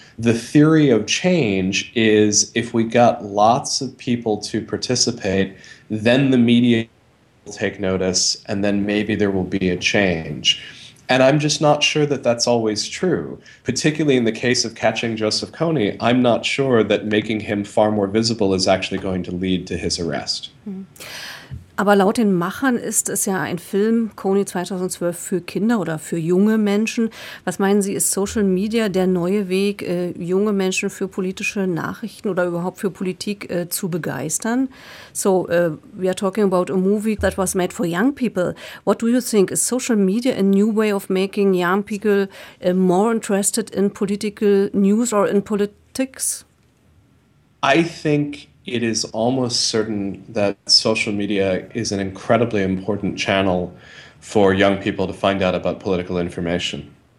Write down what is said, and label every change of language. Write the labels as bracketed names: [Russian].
[English] The theory of change is if we got lots of people to participate, then the media will take notice, and then maybe there will be a change. And I'm just not sure that that's always true, particularly in the case of catching Joseph Kony. I'm not sure that making him far more visible is actually going to lead to his arrest. [German] Aber laut den Machern ist es ja ein Film, Kony 2012, für Kinder oder für junge Menschen. Was meinen Sie, ist Social Media der neue Weg, junge Menschen für politische Nachrichten oder überhaupt für Politik zu begeistern? [English] So we are talking about a movie that was made for young people. What do you think? Is Social Media a new way of making young people more interested in political news or in politics? I think it is almost certain that social media is an incredibly important channel for young people to find out about political information.